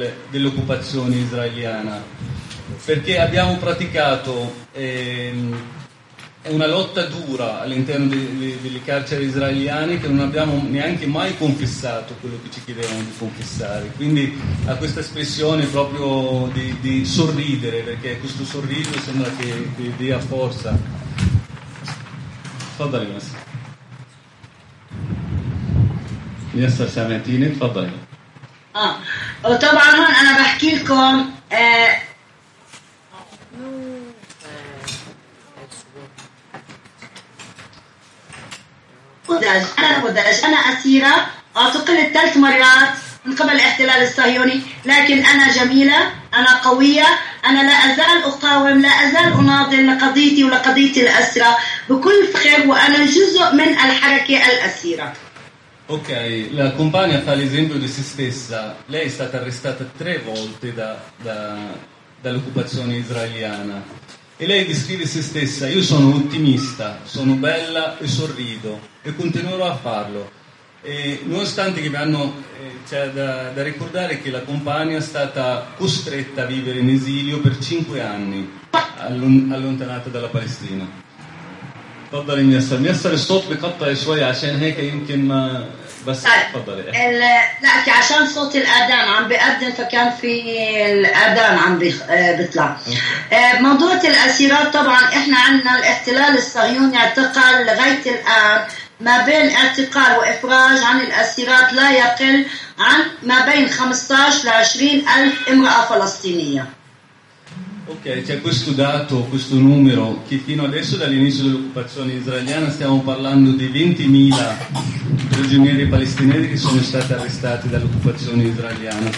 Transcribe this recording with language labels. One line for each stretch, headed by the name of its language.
Italian: dell'occupazione israeliana, perché abbiamo praticato una lotta dura all'interno delle carceri israeliane, che non abbiamo neanche mai confessato quello che ci chiedevano di confessare. Quindi ha questa espressione proprio di sorridere, perché questo sorriso sembra che dia forza. Fadali, Massa. Massa, siamo a Tine, Fadali.
Arabic: طبعاً أنا بحكي لكم أنا أسيرة اعتقلت 3 مرات من قبل الاحتلال الصهيوني، لكن أنا جميلة، أنا قوية، أنا لا أزال أقاوم، لا أزال أناضل لقضيتي ولقضية الأسرة بكل فخر، وأنا جزء من الحركة الأسيرة.
Italian: Ok, la compagna fa l'esempio di se stessa. Lei è stata arrestata 3 volte dall'occupazione israeliana. E lei descrive se stessa: io sono ottimista, sono bella e sorrido e continuerò a farlo. E nonostante che c'è da ricordare che la compagna è stata costretta a vivere in esilio per 5 anni, allontanata dalla Palestina.
Arabic: تفضلي ميسر. ميسر الصوت بيقطع شوي عشان هيك يمكن ما بس تفضلي. لا عشان صوت الأذان عم بيأذن فكان في الأذان عم بيطلع. موضوع الأسيرات طبعا احنا عندنا الاحتلال الصهيوني اعتقل لغاية الآن ما بين اعتقال وإفراج عن الأسيرات لا يقل عن ما بين 15-20 ألف امرأة فلسطينية.
Italian: Ok, c'è questo dato, questo numero, che fino adesso dall'inizio dell'occupazione israeliana stiamo parlando di 20.000 prigionieri palestinesi che sono stati arrestati dall'occupazione israeliana.